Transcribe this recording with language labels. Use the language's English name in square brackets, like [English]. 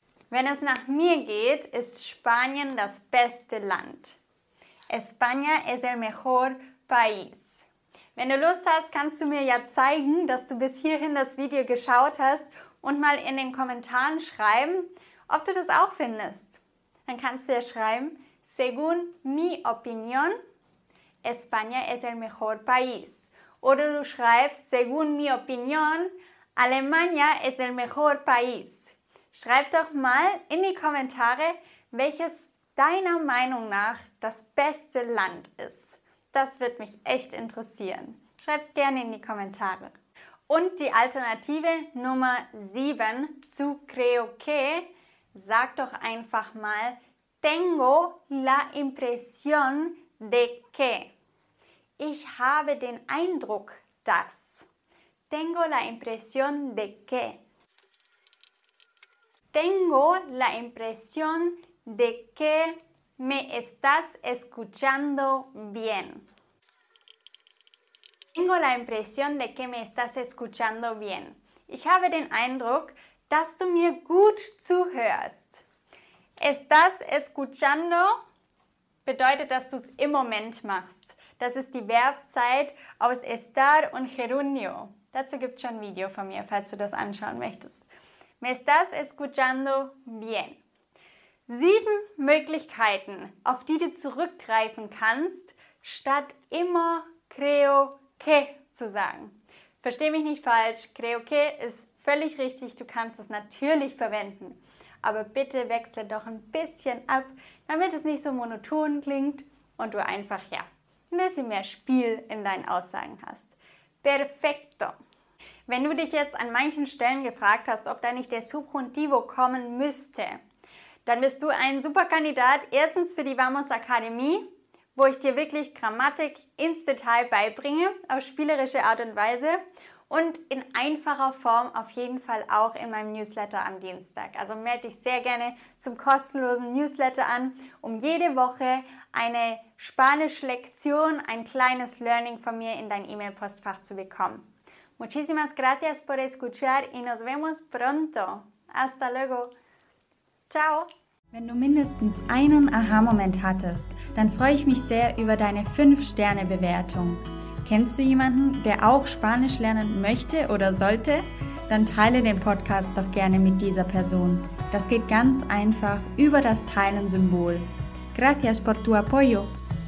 [German] Wenn es nach mir geht, ist Spanien das beste Land. [Spanish] España es el mejor país. [German] Wenn du Lust hast, kannst du mir ja zeigen, dass du bis hierhin das Video geschaut hast und mal in den Kommentaren schreiben, ob du das auch findest. Dann kannst du ja schreiben, [Spanish] según mi opinión, España es el mejor país. [German] Oder du schreibst, [Spanish] según mi opinión, Alemania es el mejor país. [German] Schreib doch mal in die Kommentare, welches deiner Meinung nach das beste Land ist. Das wird mich echt interessieren. Schreib's gerne in die Kommentare. Und die Alternative Nummer 7 zu creo que, sag doch einfach mal, [Spanish] tengo la impresión de que. [German] Ich habe den Eindruck, dass. [Spanish] Tengo la impresión de que. Tengo la impresión de que. Me estás escuchando bien. Tengo la impresión de que me estás escuchando bien. [German] Ich habe den Eindruck, dass du mir gut zuhörst. Estás escuchando bedeutet, dass du es im Moment machst. Das ist die Verbzeit aus estar und gerundio. Dazu gibt es schon ein Video von mir, falls du das anschauen möchtest. [Spanish] Me estás escuchando bien. [German] 7 Möglichkeiten, auf die du zurückgreifen kannst, statt immer creo que zu sagen. Versteh mich nicht falsch, creo que ist völlig richtig, du kannst es natürlich verwenden. Aber bitte wechsle doch ein bisschen ab, damit es nicht so monoton klingt und du einfach ja ein bisschen mehr Spiel in deinen Aussagen hast. Perfecto! Wenn du dich jetzt an manchen Stellen gefragt hast, ob da nicht der Subjuntivo kommen müsste, dann bist du ein super Kandidat, erstens für die Vamos Akademie, wo ich dir wirklich Grammatik ins Detail beibringe, auf spielerische Art und Weise und in einfacher Form auf jeden Fall auch in meinem Newsletter am Dienstag. Also melde dich sehr gerne zum kostenlosen Newsletter an, um jede Woche eine Spanisch-Lektion, ein kleines Learning von mir in dein E-Mail-Postfach zu bekommen. [Spanish] Muchísimas gracias por escuchar y nos vemos pronto. Hasta luego. Ciao. [German] Wenn du mindestens einen Aha-Moment hattest, dann freue ich mich sehr über deine 5-Sterne-Bewertung. Kennst du jemanden, der auch Spanisch lernen möchte oder sollte? Dann teile den Podcast doch gerne mit dieser Person. Das geht ganz einfach über das Teilen-Symbol. [Spanish] Gracias por tu apoyo.